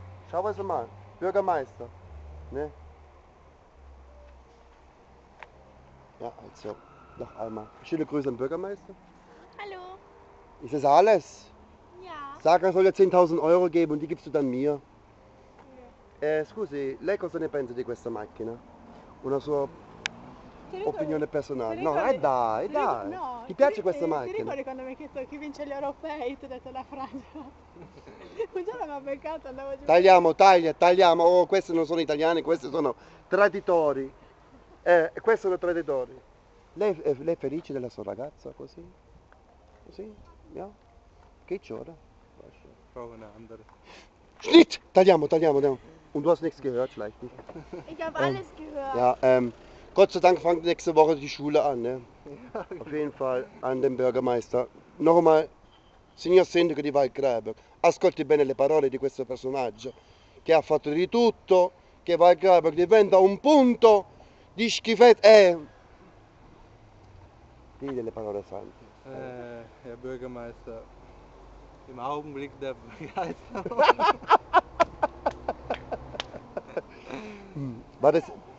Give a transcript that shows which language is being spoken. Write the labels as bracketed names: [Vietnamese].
[German] Schauen wir mal. Bürgermeister. Ne? Ja, also, noch einmal. Schöne Grüße an Bürgermeister. Hallo. Ist das alles? Ja. Sag, er soll dir 10.000 Euro geben und die gibst du dann mir. [Italian] Scusi, lei cosa ne pensa di questa macchina? Una sua opinione personale? Ricordi, no, dai. No, ti piace questa macchina? Ti ricordi quando mi hai chiesto chi vince gli europei? Ti ho detto la Francia. Un giorno mi ha beccato, andavo giù. Tagliamo. Oh, questi non sono italiani, questi sono traditori. Questi sono traditori. Lei è felice della sua ragazza così? Così? No? Yeah. Che c'ora? Prova a andare. [German] Schnitt! [Italian] Tagliamo. [German] Und du hast nichts gehört, vielleicht nicht. Ich habe alles gehört. Ja, Gott sei Dank fängt nächste Woche die Schule an. Ne? Auf jeden Fall an den Bürgermeister. [Italian] Nochmal, Signor Sindaco di Valkreiburg, ascolti bene le parole di questo personaggio, che ha fatto di tutto, che Valkreiburg diventa un punto di schifezza. Dì delle parole sante. [German] Herr Bürgermeister, im Augenblick der Begeisterung.